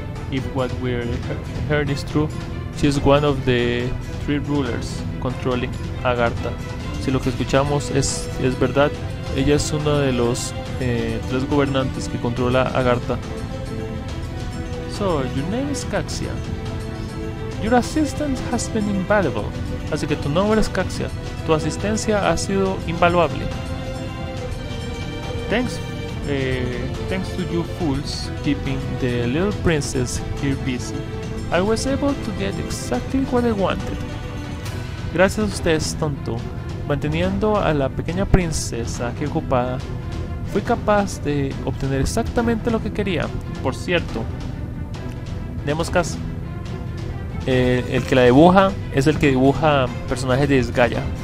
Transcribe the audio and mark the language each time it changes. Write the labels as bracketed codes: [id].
[en] If what we heard is true, she is one of the three rulers controlling Agartha. [es] Si lo que escuchamos es verdad, ella es una de los tres gobernantes que controla Agartha. [en] So, your name is Caxia. Your assistance has been invaluable. [es] Así que tu nombre es Caxia. Tu asistencia ha sido invaluable. [en] Thanks to you fools keeping the little princess here busy, I was able to get exactly what I wanted. [es] Gracias a ustedes, tonto, manteniendo a la pequeña princesa aquí ocupada, fui capaz de obtener exactamente lo que quería. Por cierto, demos caso. El que la dibuja es el que dibuja personajes de Disgaea.